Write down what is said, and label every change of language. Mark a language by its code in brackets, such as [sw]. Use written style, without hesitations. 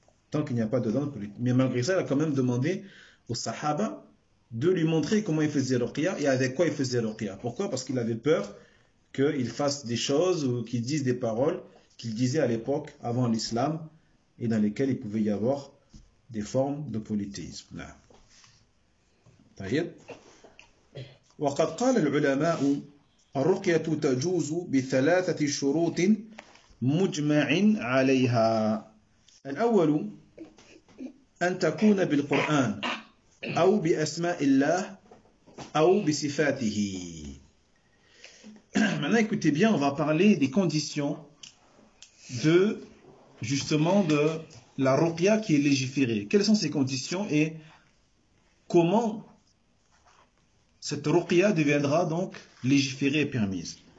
[fr] Tant qu'il n'y a pas dedans de polythéisme. Mais malgré ça, il a quand même demandé aux sahaba de lui montrer comment il faisait ruqya et avec quoi il faisait ruqya. Pourquoi? Parce qu'il avait peur qu'il fasse des choses ou qu'il dise des paroles qu'il disait à l'époque avant l'islam et dans lesquelles il pouvait y avoir des formes de polythéisme. [ar] Taïeb. وقد قال العلماء الرقية تجوز بثلاثة شروط مجمع عليها. الأول أن تكون بالقرآن أو بأسماء الله أو بصفاته. [fr] Maintenant, écoutez bien, on va parler des conditions de justement de la ruqya qui est légiférée. Quelles sont ces conditions et comment cette ruqya deviendra donc légiférée et permise?